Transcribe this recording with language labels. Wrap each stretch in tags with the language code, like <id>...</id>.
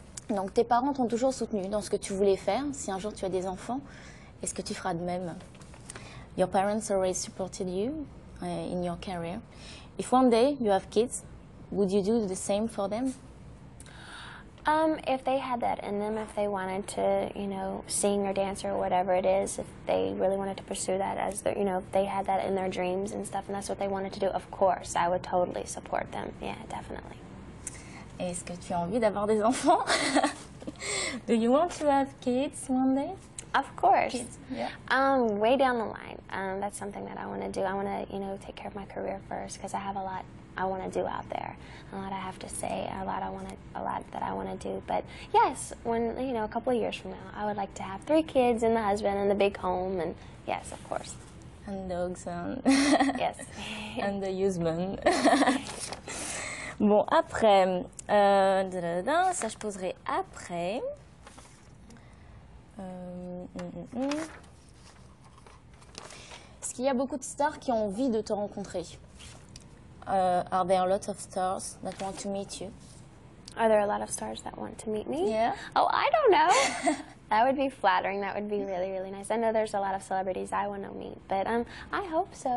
<fr>Donc tes parents t'ont toujours soutenu dans ce que tu voulais faire. Si un jour tu as des enfants, est-ce que tu feras de même?</fr> <en>Your parents always supported you in your career. If one day you have kids, would you do the same for them? If they had that in them, if they wanted to, you know, sing or dance or whatever it is, if they really wanted to pursue that as their, you know, if they had that in their dreams and stuff and that's what they wanted to do, of course, I would totally support them. Yeah, definitely.</en> <fr>Est-ce que tu as envie d'avoir des enfants?</fr> <en>Do you want to have kids one day? Of course. Kids, yeah. Way down the line. That's something that I want to do. I want to, you know, take care of my career first because I have a lot I want to do out there. A lot I have to say, a lot that I want to do. But yes, when, you know, a couple of years from now, I would like to have 3 kids and the husband and the big home. And yes, of course. And dogs. Yes. And the husband.</en> <fr>Bon, après, ça je poserai après. Est-ce qu'il y a beaucoup de stars qui ont envie de te rencontrer?</fr> <en>Are there a lot of stars that want to meet you? Are there a lot of stars that want to meet me? Yeah. Oh, I don't know. That would be flattering. That would be really, really nice. I know there's a lot of celebrities I want to meet, but I hope so.</en>